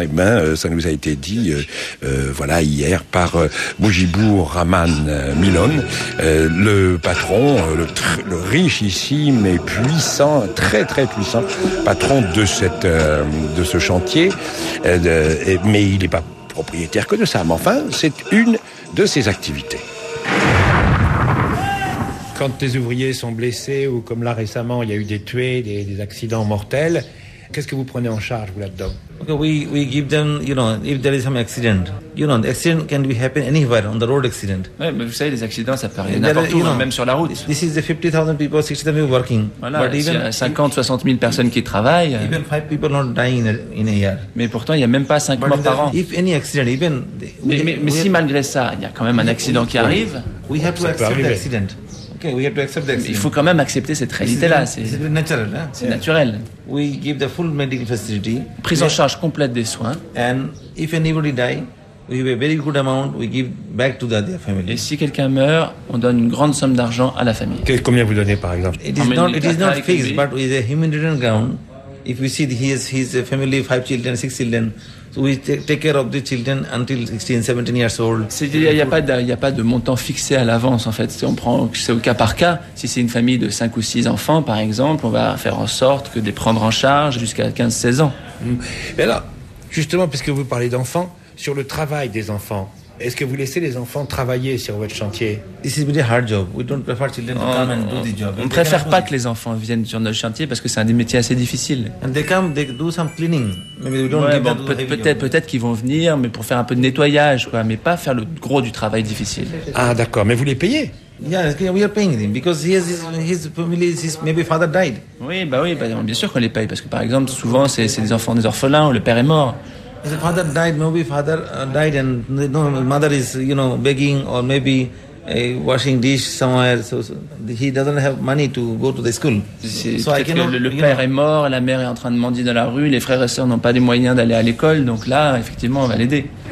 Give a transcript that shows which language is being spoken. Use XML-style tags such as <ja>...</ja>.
<fr>Et ben, ça nous a été dit voilà hier par Mujibou Rahman Milon, le patron, le richissime et puissant, très très puissant patron de ce chantier. Mais il n'est pas propriétaire que de ça. Mais enfin, c'est une de ses activités. Quand tes ouvriers sont blessés, ou comme là récemment, il y a eu des tués, des accidents mortels, qu'est-ce que vous prenez en charge, vous, là-dedans ?</fr> <en>Okay, we give them, you know, if there is some accident, you know, the accident can be happen anywhere on the road accident.</en> <fr>Ouais, mais vous savez, les accidents, ça peut arriver n'importe où, non, même sur la route.</fr> <en>This is the 50,000 people, 60,000 people working.</en> <fr>Voilà,</fr> <en>but even,</en> <fr>50, 60 000 personnes qui travaillent.</fr> <en>Even 5 people not dying in a year.</en> <fr>Mais pourtant, il y a même pas 5 morts par an.</fr> <en>If any accident, even.</en> <fr>Mais si malgré ça, il y a quand même un accident qui arrive.</fr> <en>We have to accept the accident. Okay, we have to accept the accident.</en> <fr>Il faut quand même accepter cette réalité-là. C'est naturel. Hein? C'est naturel.</fr> <en>We give the full medical facility.</en> <fr>Prise en charge complète des soins.</fr> <en>And if anybody die, we have a very good amount. We give back to their family.</en> <fr>Et si quelqu'un meurt, on donne une grande somme d'argent à la famille. Combien vous donnez, par exemple?</fr> <en>It is not fixed, but with a humanitarian ground, if we see his family, 5 children, 6 children. So we take care of the children until 16, 17 years old.</en> <fr>Il n'y a pas de montant fixé à l'avance, en fait. On prend, c'est au cas par cas. Si c'est une famille de 5 ou 6 enfants, par exemple, on va faire en sorte que de les prendre en charge jusqu'à 15, 16 ans. Mais alors, justement, puisque vous parlez d'enfants, sur le travail des enfants, est-ce que vous laissez les enfants travailler sur votre chantier?</fr> <en>This is a really hard job. We don't prefer children to come and do the job.</en> <fr>On préfère pas que les enfants viennent sur notre chantier parce que c'est un des métiers assez difficiles.</fr> <en>And they come, they do some cleaning. Maybe we don't give them the heavy job.</en> <fr>Peut-être qu'ils vont venir, mais pour faire un peu de nettoyage, quoi, mais pas faire le gros du travail difficile. Ah, d'accord. Mais vous les payez?</fr> <en>Yeah, we are paying him because his family, his maybe father died.</en> <fr>Oui, bien sûr qu'on les paye parce que par exemple, souvent c'est des enfants des orphelins ou le père est mort.</fr> <en>The father died, maybe father died and no mother is, you know, begging or maybe washing dish somewhere. So he doesn't have money to go to the school. So I cannot,</en> <fr>le père</fr> <en>you know.</en> <fr>Est mort, la mère est en train de mendier dans la rue, les frères et sœurs n'ont pas les moyens d'aller à l'école, donc là, effectivement, on va l'aider.</fr>